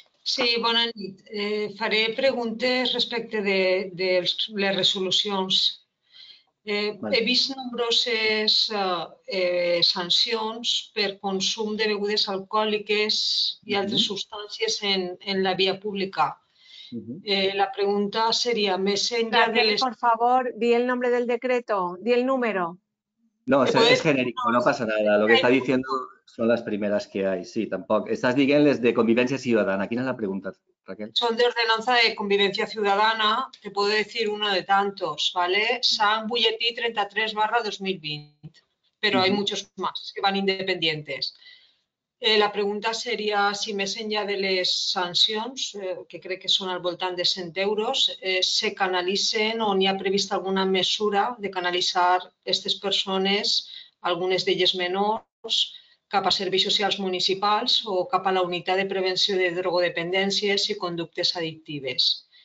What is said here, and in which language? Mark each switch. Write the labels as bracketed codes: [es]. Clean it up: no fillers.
[ca] Sí, bona nit. Faré preguntes respecte de les resolucions. Vale. He vist nombroses sancions per consum de begudes alcohòliques i altres substàncies en la via pública. La pregunta seria més enllà de les... [es] Per favor, di el nombre del decreto, di el número. No, es genérico, no pasa nada. Lo que está diciendo son las primeras que hay. Sí, tampoco. Estás diciendo les de convivencia ciudadana. ¿Quién es la pregunta, Raquel? Son de ordenanza de convivencia ciudadana. Te puedo decir uno de tantos, ¿vale? San Bulletí 33/2020. Pero hay muchos más que van independientes. [ca] La pregunta seria si més enllà de les sancions, que crec que són al voltant de 100 euros, se canalitzen o n'hi ha prevista alguna mesura de canalitzar aquestes persones, algunes d'elles menors, cap a serveis socials municipals o cap a la unitat de prevenció de drogodependències i conductes addictives.